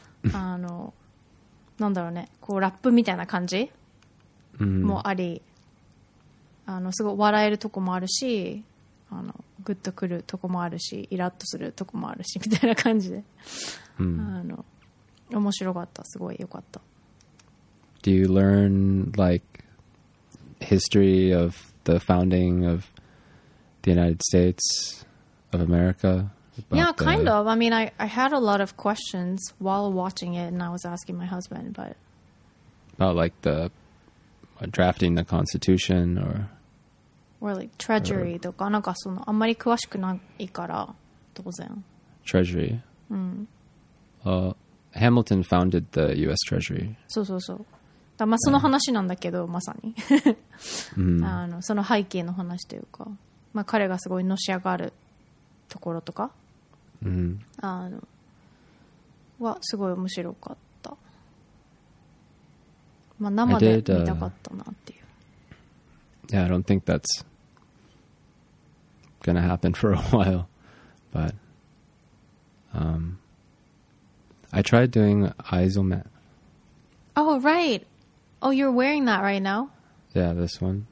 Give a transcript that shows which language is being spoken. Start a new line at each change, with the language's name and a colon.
Japanese: なんだろうね、こうラップみたいな感じ
English: Mm-hmm.
Japanese: もあり、あのすごい笑えるとこもあるし、あのグッとくるとこもあるし、イラッとするとこもあるしみたいな感じで、
English: mm-hmm.
Japanese: あの面白かった、すごい良かった。
English: Do you learn like history of the founding of the United States of America? Yeah, kind of. I mean, I had a lot of questions while watching it, and I was asking my husband, but about like theDrafting the Constitution or... Or like Treasury or,
Japanese: とか、なんかそのあんまり詳しくないから、当然。
English: Treasury?
Japanese: うん。
English: Hamilton founded the U.S. Treasury.
Japanese: そうそうそう。だまあその話なんだけど、まさに、うん、あのその背景の話というか、まあ、彼がすごいのし上がるところとか、うん、あのはすごい面白かった。まあ、生で見たかったなっていう。
English: Yeah, I don't think that's gonna happen for a while, but I tried doing Aizomet. Oh, right. Oh, you're wearing that right now? Yeah, this one.